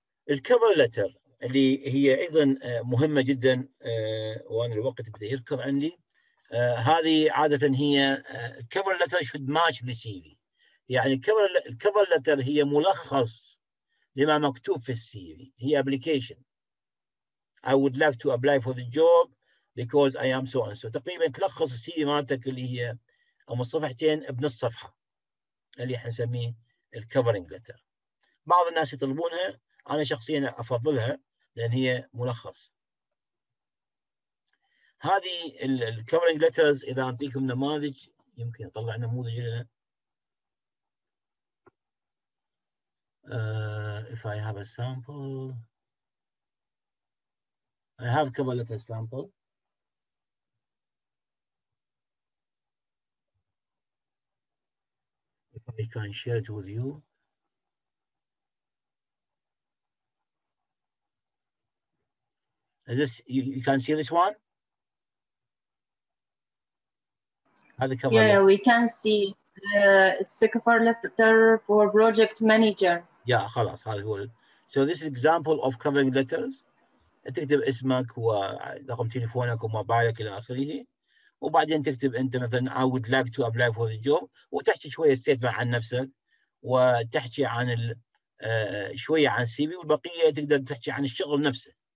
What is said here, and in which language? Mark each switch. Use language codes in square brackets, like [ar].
[ar] الكفر لتر اللي هي ايضا مهمه جدا، وانا الوقت بدا يركض عندي. هذه عاده هي الكفر لتر شود ماتش بالسي في، يعني الكفر لتر هي ملخص لما مكتوب في السي في، هي ابلكيشن. [en] I would like to apply for the job because I am so and so. [ar] تقريبا تلخص السي في مالتك اللي هي او صفحتين بنص صفحه اللي احنا نسميه الكفرنج لتر. بعض الناس يطلبونها، أنا شخصياً أفضلها لأن هي ملخص. هذه الكفرنج لترز إذا أعطيكم نماذج يمكن أطلع نموذج لها. [en] If I have a sample. I have a cover letter sample. If I can share it with you. Is this you can see this one? Yeah, we can see it's a cover letter for project manager. [ar] Yeah, خلاص هذا هو. [en] So this is example of covering letters. [ar] تكتب اسمك ورقم تليفونك وموبايلك الى اخره، وبعدين تكتب انت مثلا [en] I would like to apply for the job، [ar] وتحكي شويه statement عن نفسك، وتحكي عن شويه عن CV، والبقيه تقدر تحكي عن الشغل نفسه.